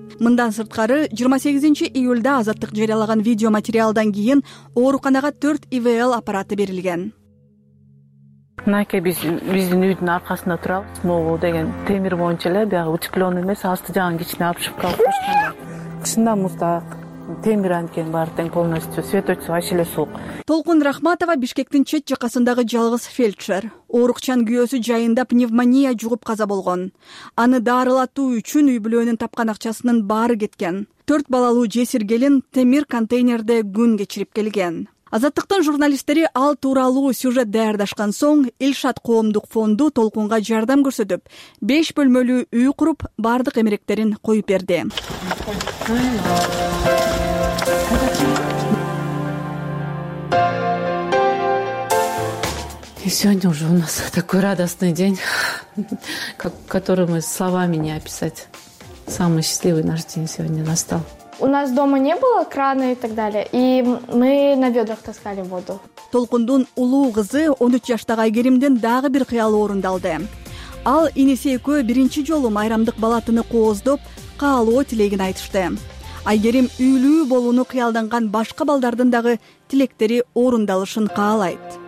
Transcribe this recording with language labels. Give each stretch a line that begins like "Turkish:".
Kyrgyz: Мындан сырткары 28 июлда Азаттык жарыялаган видео материалдан кийин ооруканага 4 ИВЛ аппараты берилген. Мынакей биздин үйдүн аркасында турабыз. Могу деген темир боюнча эле баягы утеплённый эмес, асты жагын кичине апышып калыпчу. Чындап муздак. Темир анткен бар тең полностью светочсу вообще эле суук. Толкун Рахматова Бишкектин чет жакасындагы жалгыз фельдшер. Оорукчан күйөөсү жайында пневмония жугуп каза болгон. Аны дарылатуу үчүн үй бүлөнүн тапкан акчасынын баары кеткен. Төрт балалуу жесир келин темир контейнерде күн кечирип келген. Азаттыктын журналисттери ал тууралуу сюжет даярдашкан соң Илшат коомдук фонду толкунга жардам көрсөтүп, 5 бөлмөлүү үй куруп, бардык эмеректерин коюп берди.
Russian: И сегодня уже у нас такой радостный день, который мы словами не описать. Самый счастливый наш день сегодня настал. У нас дома не было крана и так далее, и мы на ведрах таскали воду.
Kyrgyz: Толкундун улуу кызы 13 жаштагы Айгеримден дагы бир кыялы орундалды. Ал Энесей экөө биринчи жолу майрамдык бала тыны кооздоп, каалоо тилегин айтышты. Айгерим үйлүү болууну кыялданган башка балдардын дагы тилектери орундалышын каалайт.